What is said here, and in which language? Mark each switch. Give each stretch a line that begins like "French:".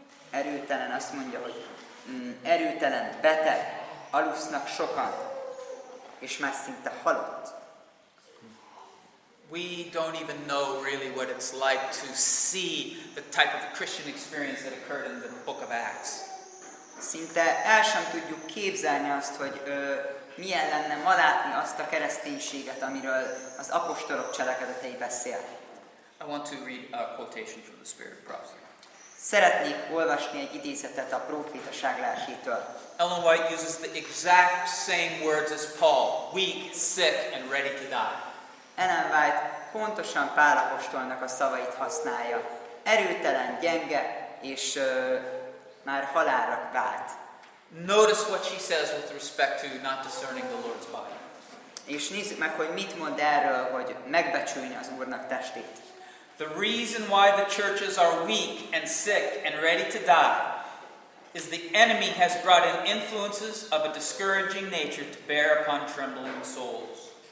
Hungarian: Erőtelen, azt mondja, hogy erőtelen, beteg, alusznak sokan, és már szinte halott.
English: We don't even know really what it's like to see the type of Christian experience that occurred in the book of Acts.
Hungarian: Szinte el sem tudjuk képzelni azt, hogy milyen lenne ma látni azt a kereszténységet, amiről az apostolok cselekedetei beszél.
English: I want to read a quotation from the Spirit of Prophecy.
Hungarian: Szeretnék olvasni egy idézetet a prófétaság lelkétől.
English: Ellen White uses the exact same words as Paul, weak, sick and ready to die.
Hungarian: Ellen White pontosan Pál apostolnak a szavait használja. Erőtelen, gyenge, és már halálra vált.
English: Notice what she says with respect to not discerning the Lord's body.
Hungarian: És nézzük meg, hogy mit mond erről, hogy megbecsülni az Úrnak testét.
English: The reason why the churches are weak and sick and ready to die is the enemy has brought in influences of a discouraging nature to bear upon trembling souls.